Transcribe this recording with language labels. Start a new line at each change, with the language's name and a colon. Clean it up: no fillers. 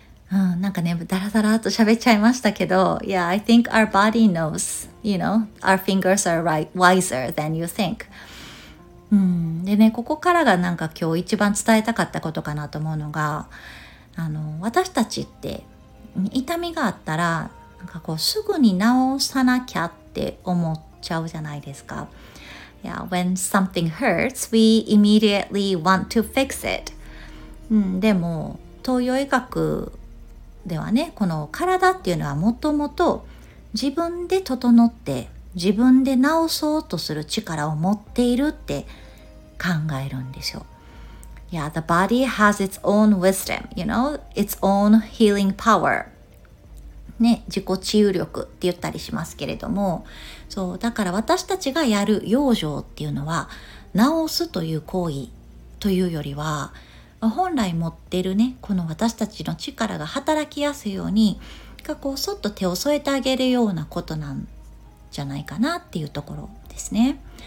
Japanese: なんかね、ダラダラと喋っちゃいましたけど、
English: Yeah, I think our body knows, you know, our fingers are right, wiser than you think.
Japanese: でね、ここからがなんか今日一番伝えたかったことかなと思うのが、私たちって痛みがあったら、なんかこうすぐに治さなきゃって思っちゃうじゃないですか。
English: Yeah, when something hurts, we immediately want to fix it.
Japanese: でも、東洋医学ではね、この体っていうのはもともと自分で整って自分で治そうとする力を持っているって考えるんですよ。
English: Yeah, the body has its own wisdom, you know, its own healing power.
Japanese: ね、自己治癒力って言ったりしますけれども、そう、だから私たちがやる養生っていうのは治すという行為というよりは、本来持ってるね、この私たちの力が働きやすいように、こうそっと手を添えてあげるようなことなんじゃないかなっていうところですね。